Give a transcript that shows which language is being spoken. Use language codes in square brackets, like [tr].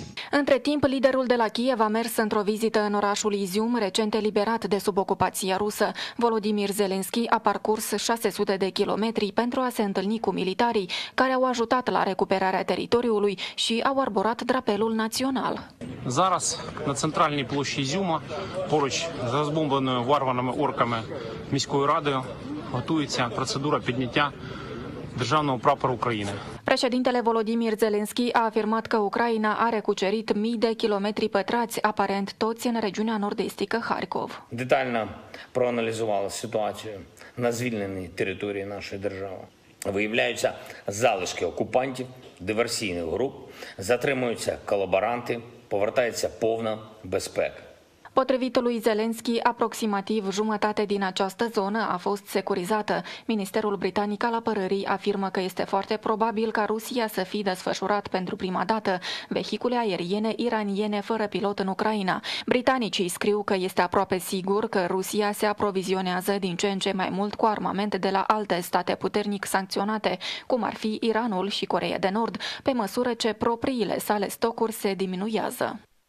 [ro] Între timp, liderul de la Kiev a mers într-o vizită în orașul Izium, recent eliberat de sub ocupația rusă. Volodymyr Zelensky a parcurs 600 de kilometri pentru a se întâlni cu militarii care au ajutat la recuperarea teritoriului și au arborat drapelul național. [uk] Зараз на центральній площі Ізюма, поруч з розбомбленою варваними орками міською радою, готується процедура підняття державного прапору України. [ro] Președintele Volodymyr Zelensky a afirmat că Ucraina are cucerit mii de kilometri pătrați, aparent toți în regiunea nord-estică Harkov. [uk] Детально проаналізували ситуацію на звільненій території нашої держави. Виявляються залишки окупантів, диверсійних груп, затримуються колаборанти, повертається повна безпека. [ro] Potrivit lui Zelensky, aproximativ jumătate din această zonă a fost securizată. Ministerul Britanic al Apărării afirmă că este foarte probabil ca Rusia să fi desfășurat pentru prima dată vehicule aeriene iraniene fără pilot în Ucraina. Britanicii scriu că este aproape sigur că Rusia se aprovizionează din ce în ce mai mult cu armamente de la alte state puternic sancționate, cum ar fi Iranul și Coreea de Nord, pe măsură ce propriile sale stocuri se diminuează.